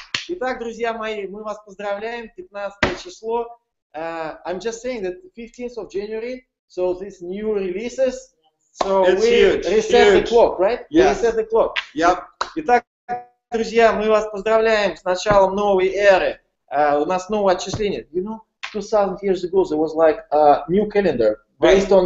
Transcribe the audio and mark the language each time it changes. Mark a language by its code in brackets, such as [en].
[ru] Итак, друзья мои, мы вас поздравляем, 15 число. [en] I'm just saying that 15th of January, so this new releases, so it's we huge, reset huge. The clock, right? Yes. We reset the clock. Yep. [ru] Итак, друзья, мы вас поздравляем с началом новой эры. У нас новое отчисление. [en] You know, 2000 years ago there was like a new calendar based on